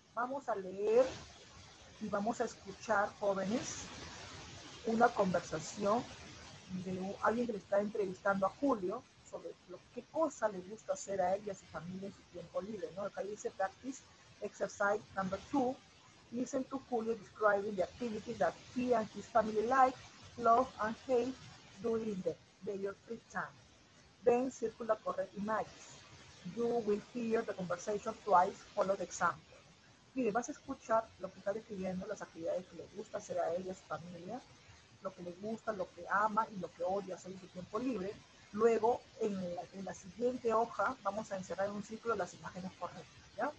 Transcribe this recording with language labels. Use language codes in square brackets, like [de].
[es] Vamos a leer y vamos a escuchar, jóvenes, una conversación de alguien que le está entrevistando a Julio sobre qué cosa le gusta hacer a él y a su familia en su tiempo libre, ¿no? Acá dice [en] practice exercise number two, listen to Julio describing the activities that he and his family like, love, and hate during their free time. Then circle the correct images. You will hear the conversation twice, follow the example. [es] Mire, vas a escuchar lo que está describiendo, las actividades que le gusta hacer a ella, a su familia, lo que le gusta, lo que ama y lo que odia hacer en su tiempo libre. Luego, en la siguiente hoja, vamos a encerrar en un círculo las imágenes correctas, ¿ya?